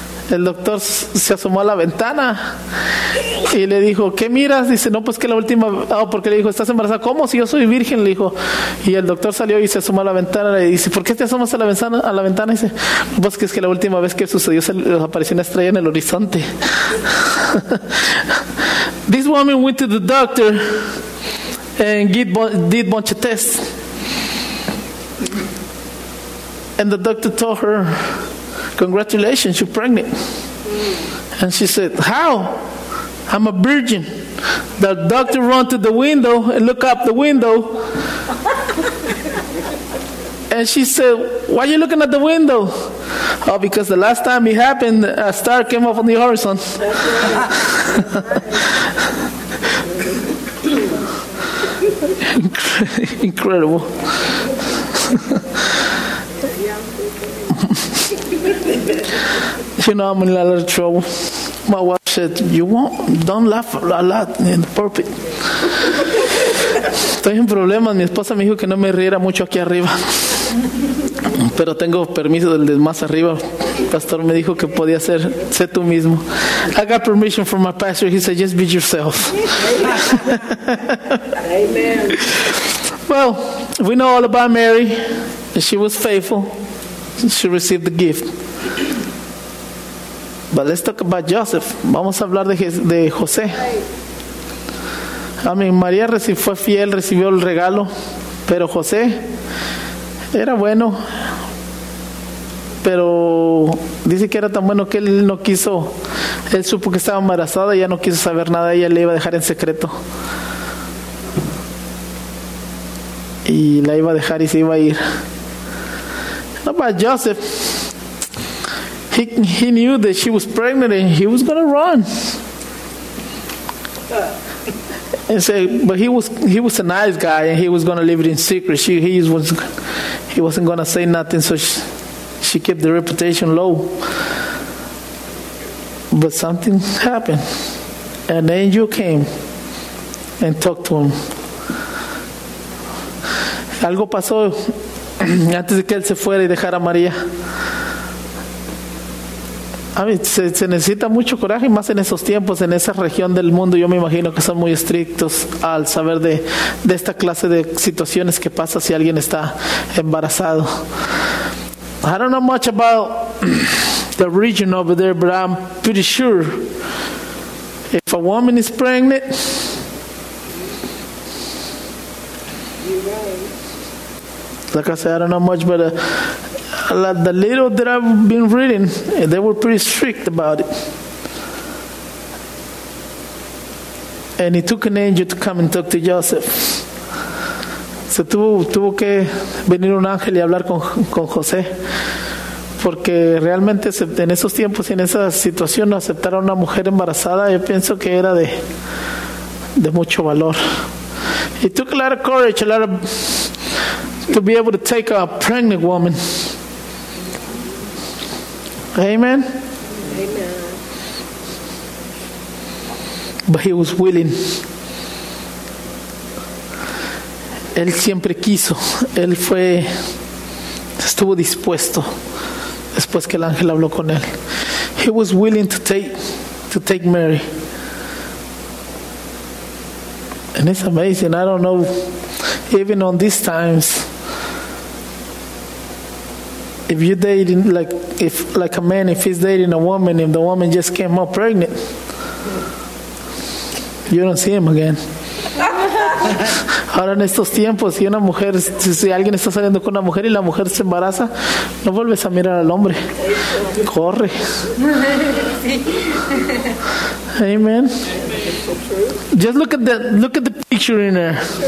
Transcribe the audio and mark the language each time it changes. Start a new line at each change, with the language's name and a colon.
Spanish: El doctor se asomó a la ventana y le dijo, "¿Qué miras?" Dice, "No, pues que la última..." Porque le dijo, "¿Estás embarazada?" "¿Cómo? Si yo soy virgen." Le dijo. Y el doctor salió y se asomó a la ventana y dice, "¿Por qué te asomas a la ventana?" Dice, "Pues que es que la última vez que sucedió se apareció una estrella en el horizonte."
English: This woman went to the doctor and did a bunch of tests. And the doctor told her, "Congratulations, you're pregnant." And she said, "How? I'm a virgin." The doctor ran to the window and looked up the window. And she said, "Why are you looking at the window?" "Oh, because the last time it happened, a star came up on the horizon." Incredible. You know, I'm in a lot of trouble. My wife said, "Don't laugh a lot in the pulpit."
Spanish: Estoy en problemas. Mi esposa me dijo que no me riera mucho aquí arriba. Pero tengo permiso del de más arriba. Pastor me dijo que podía ser, sé tú mismo.
English: I got permission from my pastor. He said, "Just be yourself." Amen. Well, we know all about Mary. She was faithful. She received the gift. But let's talk about Joseph.
Spanish: Vamos a hablar de José.
English: I mean,
Spanish: María fue fiel, recibió el regalo. Pero José era bueno. Pero dice que era tan bueno que él no quiso. Él supo que estaba embarazada y ya no quiso saber nada. Ella le iba a dejar en secreto. Y la iba a dejar y se iba a ir.
English: How about Joseph? He knew that she was pregnant and he was going to run. And say, but he was a nice guy and he was going to leave it in secret. He wasn't going to say nothing, so she kept the reputation low. But something happened. An angel came and talked to him.
Spanish: Algo pasó antes de que él se fuera y dejara a María. A mí, se necesita mucho coraje, más en esos tiempos, en esa región del mundo. Yo me imagino que son muy estrictos al saber de esta clase de situaciones que pasa si alguien está embarazado.
English: I don't know much about the region over there, but I'm pretty sure if a woman is pregnant, like I said, I don't know much, but the little that I've been reading, they were pretty strict about it. And it took an angel to come and talk to Joseph.
Spanish: So tuvo que venir un ángel y hablar con José. Porque realmente en esos tiempos y en esa situación, aceptar a una mujer embarazada, yo pienso que era de mucho valor.
English: It took a lot of courage, to be able to take a pregnant woman. Amen. But he was willing.
Spanish: Él siempre quiso. Él estuvo dispuesto después que el ángel habló con él.
English: He was willing to take Mary. And it's amazing. I don't know, even on these times, if you're dating, like a man, if he's dating a woman, if the woman just came out pregnant, you don't see him again.
Spanish: Ahora en estos tiempos, si una mujer, si alguien está saliendo con una mujer y la mujer se embaraza, no vuelves a mirar al hombre. Corre.
English: Amen. Just look at the picture in there.